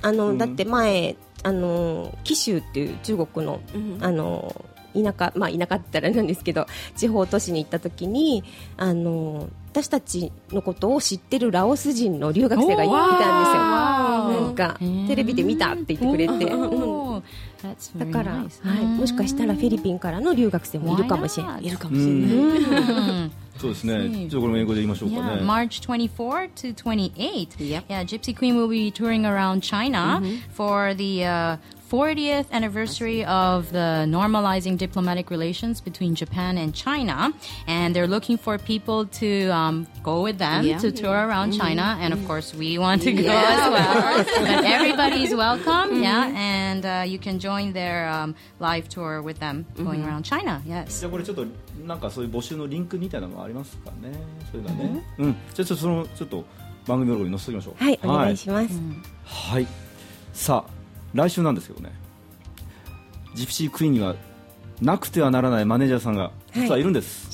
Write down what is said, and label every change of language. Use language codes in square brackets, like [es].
[ja] あの、だって前あの貴州っていう中国の、あの田舎、まあ田舎って言ったらなんですけど、地方都市に行った時に、あの私たちのことを知ってるラオス人の留学生がいたんですよ。なんかテレビで見たって言ってくれて、だから、 [en] nice. [ja] はい、もしかしたらフィリピンからの留学生もいるかもしれない。いるかもしれない。そうですね。じゃあこれも英語で言いましょうかね。 [en] Yeah, March 24 to 28. Yep. Yeah, Gypsy Queen will be touring around China for the 40th anniversary of the normalizing diplomatic relations between Japan and China, and they're looking for people to go with them to tour around China, and of course we want to go as well. But everybody's welcome, yeah, and you can join their live tour with them going around China. Yes. [ja] じゃあこれちょっとなんかそういう募集のリンクみたいなのもありますかね。それがね。うん。じゃあちょっとそのちょっと番組のところに載せておきましょう。はい、お願いします。はい。さあ、来週なんですけどね、ジプシークイーンにはなくてはならないマネージャーさんが実はいるんです、はい、